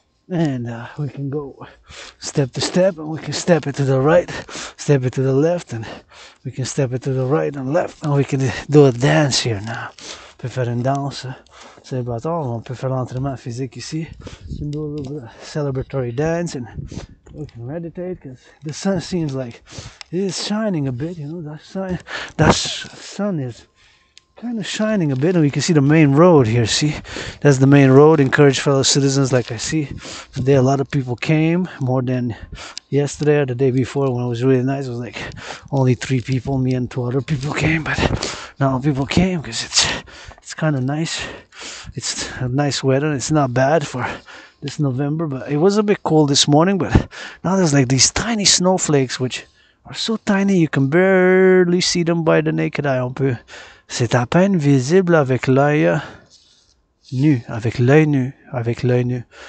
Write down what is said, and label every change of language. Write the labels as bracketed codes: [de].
[en] And we can go step to step, and we can step it to the right, step it to the left, and we can step it to the right and left, and we can do a dance here now. [fr] Peut faire une danse, c'est pas tout, on peut faire l'entraînement physique ici. [en] Can do a little bit of celebratory dance, and we can meditate, because the sun seems like it is shining a bit, you know, that sun is kind of shining a bit, and we can see the main road here, see? That's the main road. Encourage fellow citizens, like I see. Today a lot of people came, more than yesterday or the day before when it was really nice. It was like only 3 people, me and 2 other people came, but now people came because it's kind of nice. It's a nice weather. It's not bad for this November, but it was a bit cold this morning, but now there's like these tiny snowflakes, which are so tiny you can barely see them by the naked eye. [fr] On peut... C'est à peine visible avec l'œil nu, avec l'œil nu.